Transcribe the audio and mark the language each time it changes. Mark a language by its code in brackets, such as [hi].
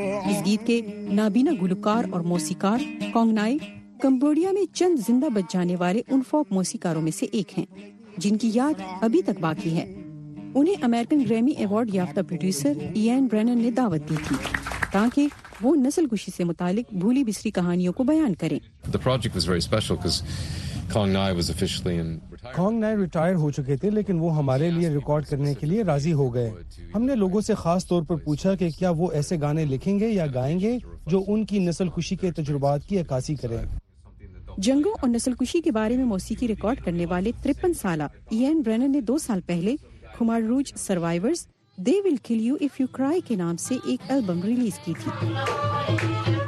[ur] اس گیت کے نابینا گلوکار اور موسیقار کونگنائی کمبوڈیا میں چند زندہ بچ جانے والے ان فوک موسیقاروں میں سے ایک ہیں جن کی یاد ابھی تک باقی ہے۔ انہیں امریکن گریمی ایوارڈ یافتہ پروڈیوسر ایئن برینن نے دعوت دی تھی تاکہ وہ نسل کشی سے متعلق بھولی بسری کہانیوں کو بیان کریں۔ [en] The project was very special because Kong Nai was officially in retirement. [ur] Kong Nai retired ہو چکے تھے لیکن وہ ہمارے لیے ریکارڈ کرنے کے لیے راضی ہو گئے۔ ہم نے لوگوں سے خاص طور پر پوچھا کہ کیا وہ ایسے گانے لکھیں گے یا گائیں گے جو ان کی نسل کشی کے تجربات کی عکاسی کریں۔ جنگوں اور نسل کشی کے بارے میں موسیقی ریکارڈ کرنے والے 53 سالہ ایئن برینن نے 2 سال پہلے کمار روج سروائیورز دے ول کل یو اف یو کرائی کے نام سے ایک البم ریلیز کی تھی۔